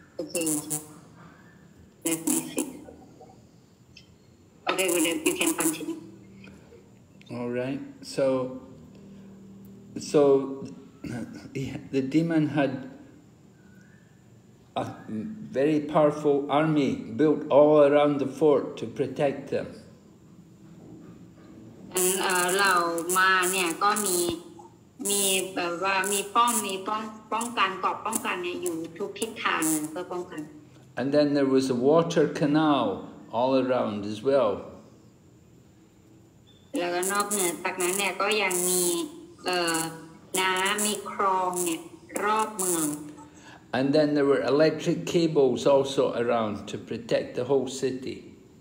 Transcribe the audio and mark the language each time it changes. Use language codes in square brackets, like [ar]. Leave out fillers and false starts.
[en] Okay, let me see. Okay, good, you can continue. All right, so the demon had a very powerful army built all around the fort to protect them. [th] เรามาเนี่ยก็มีแบบว่ามีป้อมป้องกันเกาะป้องกันเนี่ยอยู่ทุกทิศทางก็ป้องกัน [en] And then there was a water canal all around as well. And then there were electric cables also around to protect the whole city.